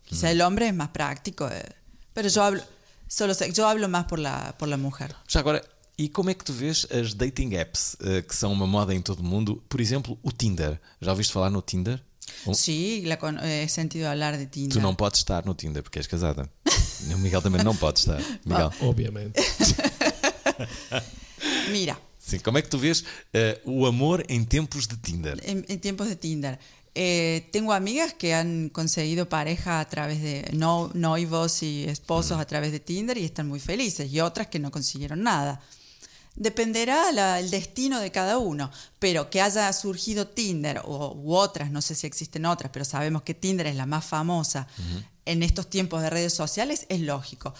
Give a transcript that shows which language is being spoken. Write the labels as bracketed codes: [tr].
[es] O sea, el hombre es más práctico, pero yo hablo más por la mujer. [pt] Já agora, e como é que tu vês as dating apps, que são uma moda em todo o mundo? Por exemplo, o Tinder. Já ouviste falar no Tinder? Sim, [es] he sentido [pt] falar de Tinder. Tu não podes estar no Tinder porque és casada. O Miguel também não pode estar. Miguel. Obviamente. Mira. Sim, como é que tu vês o amor em tempos de Tinder? Em tempos de Tinder... [es] tengo amigas que han conseguido pareja a través de novios y esposos a través de Tinder y están muy felices, y otras que no consiguieron nada. Dependerá el destino de cada uno, pero que haya surgido Tinder u otras, no sé si existen otras, pero sabemos que Tinder es la más famosa en estos tiempos de redes sociales, es lógico.